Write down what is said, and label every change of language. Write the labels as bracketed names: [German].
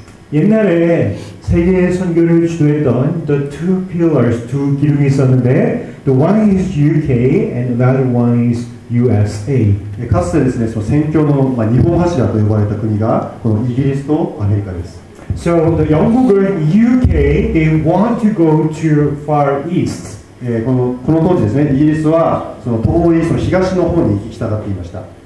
[Korean] 옛날에 세계 선교를 주도했던 [English] the two pillars, [Korean] 두 기둥이 있었는데, [English] the one is UK and another one is USA. [Japanese] かつてですね、その宣教の日本柱と呼ばれた国がこのイギリスとアメリカです。 [English] So the [Korean] 영국은 [English] UK, they want to go to far east. [Japanese] この当時ですね、イギリスはその東に東の方に行きたがっていました。